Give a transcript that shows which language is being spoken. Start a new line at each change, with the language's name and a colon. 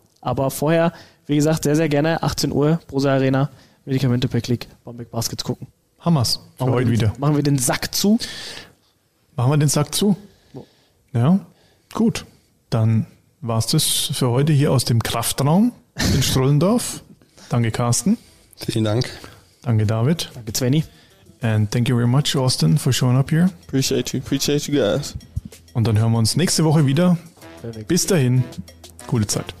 German: Aber vorher, wie gesagt, sehr, sehr gerne 18 Uhr, Brose Arena, Medikamente per Klick, Bamberg Baskets gucken. Hammer's. Machen wir heute wieder. Machen wir den Sack zu? Machen wir den Sack zu. Ja, gut. Dann war es das für heute hier aus dem Kraftraum in Strullendorf. Danke, Carsten. Vielen Dank. Danke, David. Danke, Svenny.
English: And thank you very much, Austin, for showing up here. Appreciate you guys.
German: Und dann hören wir uns nächste Woche wieder. Perfect. Bis dahin, gute Zeit.